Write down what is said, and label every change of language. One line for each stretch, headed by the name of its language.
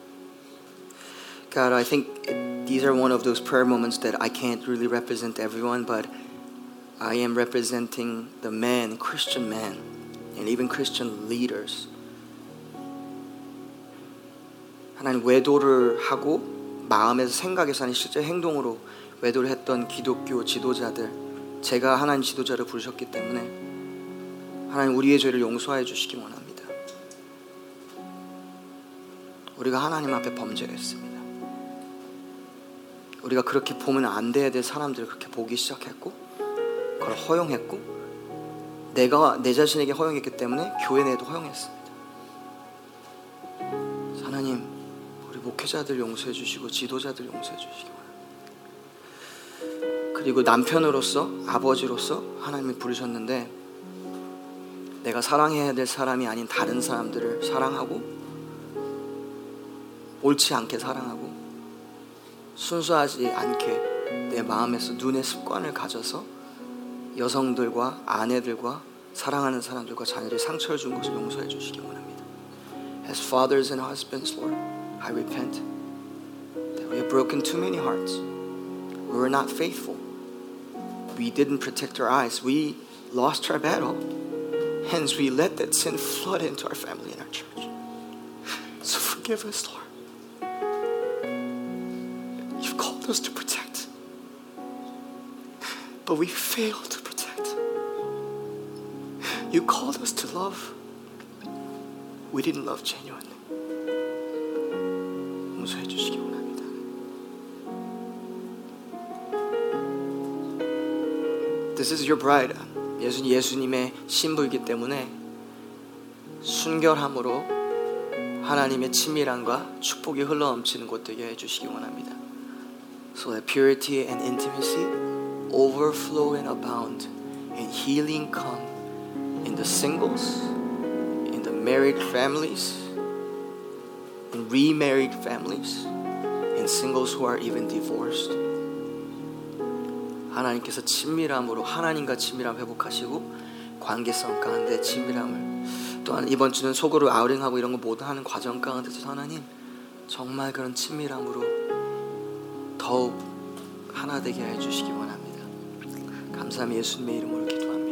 Korean: 주세요,
English: God, I think these are one of those prayer moments that I can't really represent everyone, but I am representing the men, Christian men, and even Christian leaders.
Korean: 하나님 외도를 하고 마음에서 생각에서 아니 실제 행동으로 외도를 했던 기독교 지도자들 제가 하나님 지도자를 부르셨기 때문에 하나님 우리의 죄를 용서해 주시기 원합니다. 우리가 하나님 앞에 범죄를 했습니다. 우리가 그렇게 보면 안 돼야 될 사람들을 그렇게 보기 시작했고 그걸 허용했고 내가 내 자신에게 허용했기 때문에 교회 내에도 허용했습니다. 하나님 목회자들 용서해 주시고 지도자들 용서해 주시기 바랍니다. 그리고 남편으로서 아버지로서 하나님이 부르셨는데 내가 사랑해야 될 사람이 아닌 다른 사람들을 사랑하고 옳지 않게 사랑하고 순수하지 않게 내 마음에서 눈의 습관을 가져서 여성들과 아내들과 사랑하는 사람들과 자녀들이 상처를 준 것을 용서해 주시기 바랍니다.
English: As fathers and husbands, Lord, I repent that we have broken too many hearts. We were not faithful. We didn't protect our eyes. We lost our battle. Hence, we let that sin flood into our family and our church. So forgive us, Lord. You've called us to protect, but we failed to protect. You called us to love. We didn't love genuinely.
Korean: 용서해 주시기 원합니다.
English: 하나님. This is your bride.
Korean: 예수님의 신부이기 때문에 순결함으로 하나님의 친밀함과 축복이 흘러넘치는 곳 되게 해주시기 원합니다.
English: So that purity and intimacy overflow and abound and healing come in the singles, in the married families, in remarried families, in singles who are even divorced.
Korean: 하나님께서 친밀함으로 하나님과 친밀함 회복하시고 관계성 가운데 친밀함을 또한 이번 주는 속으로 아우링하고 이런 거 모두 하는 과정 가운데서 하나님 정말 그런 친밀함으로 더욱 하나 되게 해 주시기 원합니다. 감사합니다. 예수님의 이름으로 기도합니다.